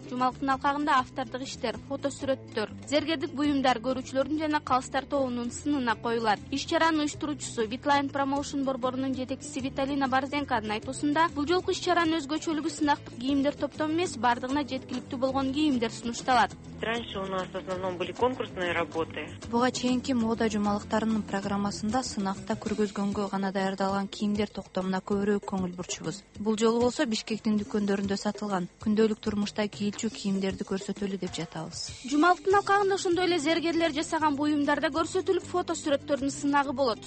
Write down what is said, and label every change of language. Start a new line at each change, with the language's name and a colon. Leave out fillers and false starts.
Kyrgyz: Жумалыктын алкагында автордук иштер, фотосүрөттөр, зергердик буюмдар көрүүчүлөрдүн жана калыстар тобунун сынына коюлат. Иш чаранын уюштуруучусу Витлайн Промоушн борборунун жетекчиси Виталина Барзенканын айтуусунда, бул жолку иш чаранын өзгөчөлүгү сынактык кийимдер топтом эмес, бардыгына жеткиликтүү болгон кийимдер сунушталат.
Russian: Раньше у нас в основном были конкурсные работы.
Kyrgyz: Буга чейинки мода жумалыктарынын программасында сынакта көргөзгөнгө гана даярдалган кийимдер топтомуна көбүрөөк көңүл бурчубуз. Бул жолу болсо Бишкектин дүкөндөрүндө сатылган күндөлүк турмушта кийилчү кийимдерди көрсөтөлү деп жатабыз. Жумалыктын алкагында ошондой эле зергерлер жасаган буюмдар да көрсөтүлүп, фотосүрөттөрдүн сынагы болот.